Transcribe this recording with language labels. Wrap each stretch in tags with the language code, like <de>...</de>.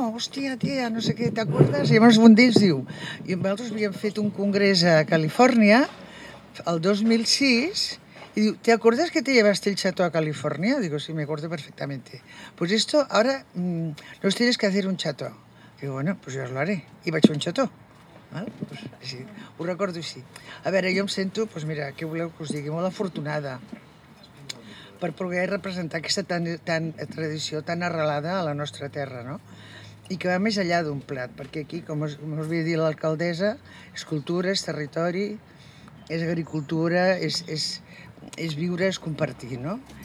<ca>Hòstia, tia, no sé què, t'acordes? I llavors un d'ells diu, i nosaltres havíem fet un congrés a Califòrnia el 2006, i diu,</ca> <es>¿te acordes que te llevaste el Xató a Califòrnia? Digo, sí, me acuerdo perfectamente. Pues esto, ahora, nos tienes que hacer un Xató. Digo, bueno, pues yo os lo haré.</es> <ca>I vaig fer un Xató. Pues, sí, ho recordo així. A veure, jo em sento, pues mira, què voleu que us digui, molt afortunada per poder representar aquesta tan tradició tan arrelada a la nostra terra, no? I que va més enllà d'un plat, perquè aquí, com us havia dit l'alcaldessa, és cultura, és territori, és agricultura, és viure, és compartir, no?</ca>